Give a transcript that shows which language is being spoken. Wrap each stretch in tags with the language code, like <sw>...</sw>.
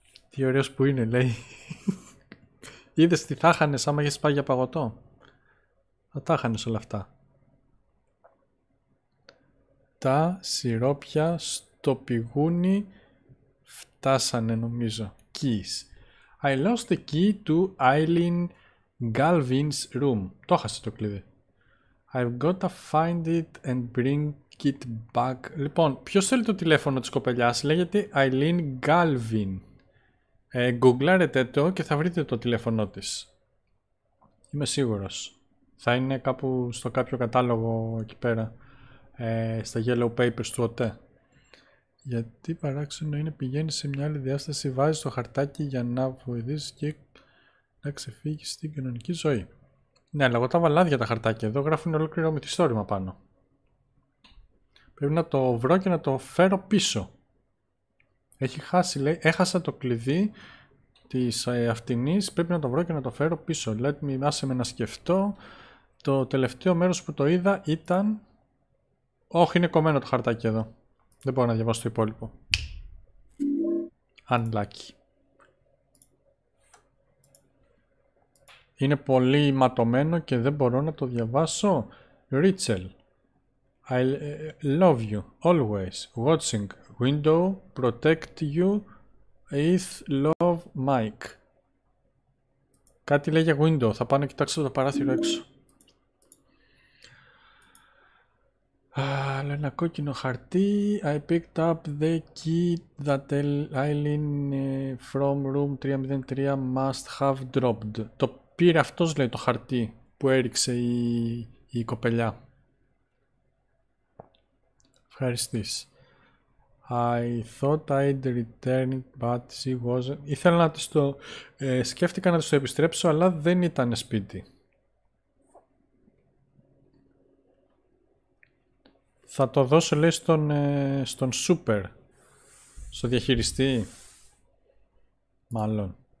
<el>Τι ωραίος που είναι, λέει. Είδες τι θα χάνες άμα είχες πάει για παγωτό. Θα τα χάνες όλα αυτά. Τα σιρόπια στο πηγούνι φτάσανε, νομίζω.</el> <en>Keys. I lost the key to Eileen Galvin's room.</en> <el>Το χάσε το κλειδί.</el> <en>I've got to find it and bring it back.</en> <el>Λοιπόν, ποιος θέλει το τηλέφωνο της κοπελιάς? Λέγεται Eileen Galvin. Γκουγκλάρετε το και θα βρείτε το τηλέφωνο της. Είμαι σίγουρος. Θα είναι κάπου στο κάποιο κατάλογο εκεί πέρα. Στα</el> <en>yellow papers</en> <el>του ΟΤΕ. Γιατί παράξενο είναι, πηγαίνει σε μια άλλη διάσταση, βάζει το χαρτάκι για να βοηθήσει και να ξεφύγει στην κανονική ζωή. Ναι, αλλά εγώ τα βαλάδια τα χαρτάκια. Εδώ γράφουν ολόκληρο μυθιστόρημα πάνω. Πρέπει να το βρω και να το φέρω πίσω. Έχει χάσει, λέει. Έχασα το κλειδί της αυτινής. Πρέπει να το βρω και να το φέρω πίσω.</el> <en>Let me,</en> <el>άσε με να σκεφτώ. Το τελευταίο μέρος που το είδα ήταν... Όχι, είναι κομμένο το χαρτάκι εδώ. Δεν μπορώ να διαβάσω το υπόλοιπο.</el> <en>Unlucky.</en> <el>Είναι πολύ ματωμένο και δεν μπορώ να το διαβάσω.</el> <en>Rachel, I love you always. Watching window, protect you with love, Mike.</en> <el>Κάτι λέει για window. Θα πάω να κοιτάξω το παράθυρο έξω. Άλλο ένα κόκκινο χαρτί.</el> <en>I picked up the key that Eileen from room 303 must have dropped.</en> <el>Το πήρε αυτός, λέει, το χαρτί που έριξε η κοπελιά. Ευχαριστής.</el> <en>I thought I'd return it, but she wasn't...</en> <el>Ήθελα να της το... σκέφτηκα να της το επιστρέψω, αλλά δεν ήταν σπίτι. Θα το δώσω, λέει, στον Super. Στο διαχειριστή. Μάλλον.</el>